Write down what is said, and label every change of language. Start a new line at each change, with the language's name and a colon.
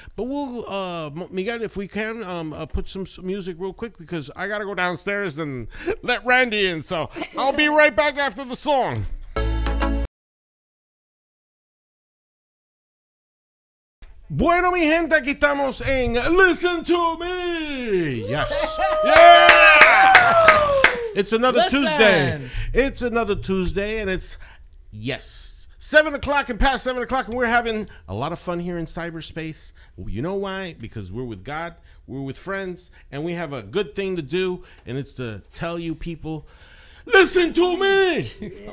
English: But we'll, Miguel, if we can, put some music real quick because I got to go downstairs and let Randy in. So I'll be right back after the song.
Spanish: Bueno, mi gente, aquí estamos en Listen to Me.
English: Yes. Yeah. It's another Listen. Tuesday. It's another Tuesday, and it's, yes, 7 o'clock and past 7 o'clock, and we're having a lot of fun here in cyberspace. You know why? Because we're with God, we're with friends, and we have a good thing to do, and it's to tell you people, Listen to me.